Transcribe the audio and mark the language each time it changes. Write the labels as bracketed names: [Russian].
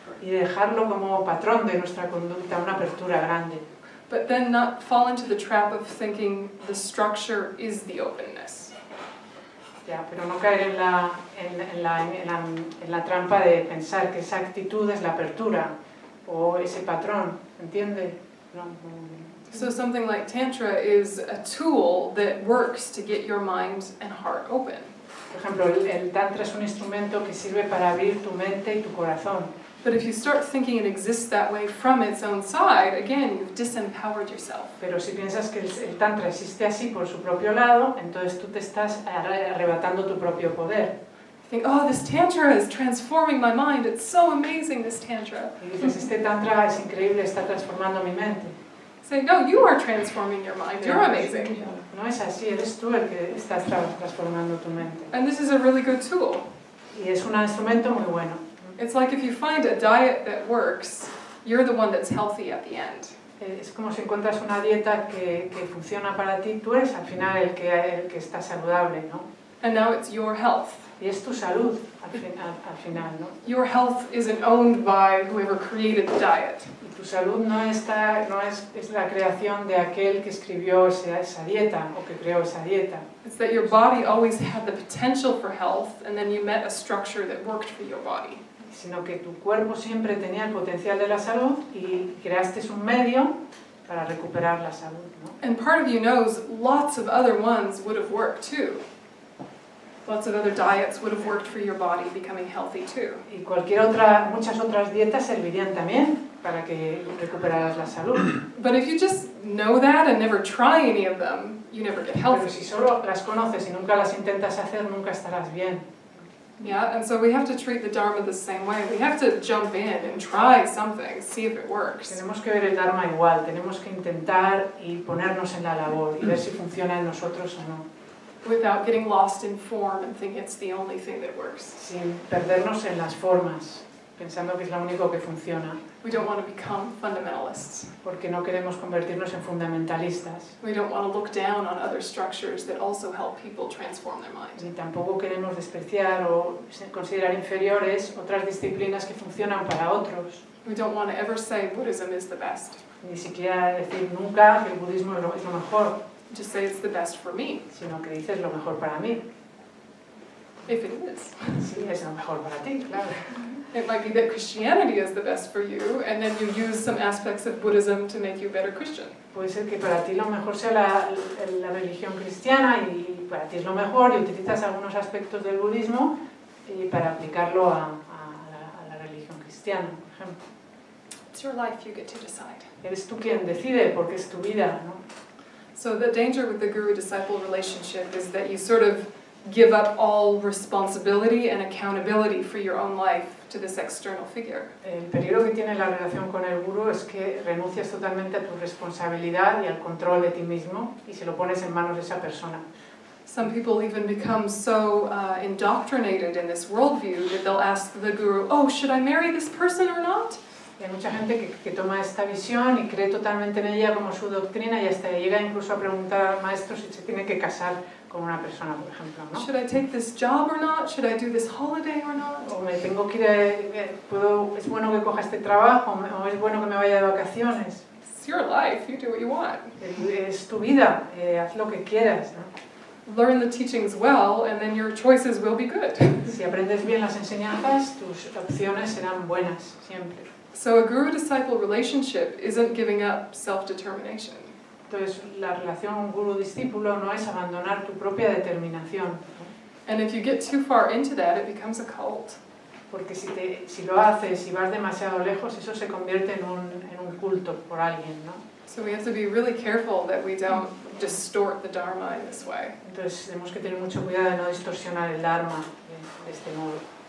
[Spanish] Y dejarlo como patrón de nuestra conducta, una apertura grande. [English] But then not fall into the trap of thinking the structure is the openness. [Spanish] Ya, pero no caer en la trampa de pensar que esa actitud es la apertura o ese patrón, ¿entiende? [English] So something like tantra is a tool that works to get your mind and heart open. [Spanish] Por ejemplo, el tantra es un instrumento que sirve para abrir tu mente y tu corazón. [English] But if you start thinking it exists that way from its own side, again, you've disempowered yourself. [Spanish] Pero si piensas que el tantra existe así por su propio lado, entonces tú te estás arrebatando tu propio poder. [English] You think, oh, this tantra is transforming my mind. It's so amazing, this tantra. [Spanish] Dices, este tantra es increíble, está transformando mi mente. [English] Say, no, you are transforming your mind. You're amazing. [Spanish] No es así, eres tú el que estás transformando tu mente. [English] And this is a really good tool. [Spanish] Y es un instrumento muy bueno. [English] It's like if you find a diet that works, you're the one that's healthy at the end. [Spanish] Es como si encuentras una dieta que funciona para ti, tú eres al final el que está saludable, ¿no? [English] And now it's your health. [Spanish] Y es tu salud al final, ¿no? [English] Your health isn't owned by whoever created the diet. [Spanish] Y tu salud no es la creación de aquel que escribió esa dieta o que creó esa dieta. [English] It's that your body always had the potential for health, and then you met a structure that worked for your body. [Spanish] Sino que tu cuerpo siempre tenía el potencial de la salud y creaste un medio para recuperar la salud, ¿no? [English] And part of you knows lots of other ones would have worked too. Lots of other diets would have worked for your body becoming healthy too. [Spanish] Y cualquier otra, muchas otras dietas servirían también para que recuperaras la salud. [English] But if you just know that and never try any of them, you never get healthy. [Spanish] Pero si solo las conoces y nunca las intentas hacer, nunca estarás bien. [English] Yeah, and so we have to treat the dharma the same way. We have to jump in and try something, see if it works. [Spanish] Tenemos que ver el dharma igual. Tenemos que intentar y ponernos en la labor y ver si funciona en nosotros o no. [English] Without getting lost in form and thinking it's the only thing that works. [Spanish] Sin perdernos en las formas, pensando que es lo único que funciona. [English] We don't want to become fundamentalists. [Spanish] Porque no queremos convertirnos en fundamentalistas. [English] We don't want to look down on other structures that also help people transform their minds. [Spanish] Ni tampoco queremos despreciar o considerar inferiores otras disciplinas que funcionan para otros. [English] We don't want to ever say Buddhism is the best. [Spanish] Ni siquiera decir nunca que el budismo es lo mejor. [English] Just say it's the best for me. [Spanish] Sino que dices lo mejor para mí. [English] If it is. [Spanish] Sí, es lo mejor para ti, claro. [English] It might be that Christianity is the best for you, and then you use some aspects of Buddhism to make you a better Christian. [Spanish] Puede ser que para ti lo mejor sea la religión cristiana, y para ti es lo mejor, y utilizas algunos aspectos del budismo y para aplicarlo a la religión cristiana, por ejemplo. [English] It's your life, you get to decide. [Spanish] Eres tú quien decide, porque es tu vida, ¿no? [English] So the danger with the guru-disciple relationship is that you sort of give up all responsibility and accountability for your own life to this external figure. [Spanish] El peligro que tiene la relación con el guru es que renuncias totalmente a tu responsabilidad y al control de ti mismo y se lo pones en manos de esa persona. [English] Some people even become so indoctrinated in this worldview that they'll ask the guru, oh, should I marry this person or not? [Spanish] Hay mucha gente que toma esta visión y cree totalmente en ella como su doctrina y hasta llega incluso a preguntar al maestro si se tiene que casar con una persona, por ejemplo, ¿no? [English] Should I take this job or not? Should I do this holiday or not? [Spanish] O me tengo que ir, es bueno que coja este trabajo o es bueno que me vaya de vacaciones. [English] It's your life, you do what you want. [Spanish] Es tu vida, haz lo que quieras, ¿no? [English] Learn the teachings well and then your choices will be good. [Spanish] Si aprendes bien las enseñanzas, tus opciones serán buenas siempre. [English] So a guru-disciple relationship isn't giving up self-determination. [Spanish] Entonces, la relación guru-discípulo no es abandonar tu propia determinación. [English] And if you get too far into that, it becomes a cult. [Spanish] Porque si lo haces y vas demasiado lejos, eso se convierte en un culto por alguien, ¿no? [English] So we have to be really careful that we don't distort the dharma in this way. [Spanish] Entonces, tenemos que tener mucho cuidado de no distorsionar el dharma de este modo.